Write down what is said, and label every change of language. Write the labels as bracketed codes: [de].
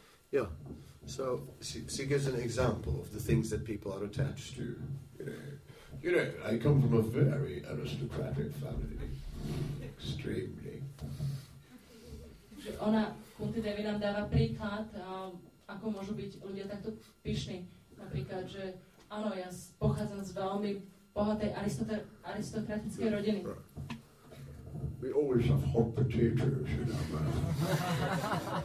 [en] Yeah, so she gives an example of the things that people are attached to. You know, I come from a very aristocratic family. Extremely. [sk] Ona, Kunti Devi, nám dáva príklad, ako môžu byť ľudia takto pyšní. Napríklad, že áno, ja pochádzam z veľmi bohatej aristokratickej rodiny. [en] We always have hot potatoes in our mouth.